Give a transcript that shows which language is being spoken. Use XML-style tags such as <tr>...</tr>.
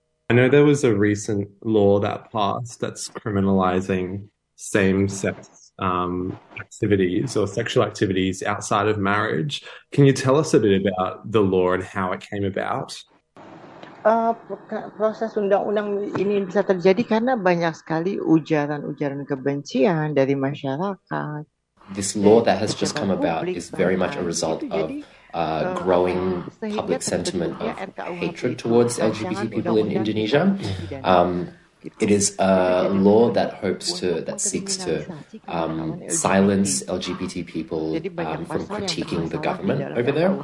<en>I know there was a recent law that passed that's criminalizing same-sex activities or sexual activities outside of marriage. Can you tell us a bit about the law and how it came about?</en> <id>Proses undang-undang ini bisa terjadi karena banyak sekali ujaran-ujaran kebencian dari masyarakat.</id> <en>This law that has just come about is very much a result of growing public sentiment of hatred towards LGBT people in Indonesia. It is a law that hopes to, that seeks to silence LGBT people from critiquing the government over there.</en>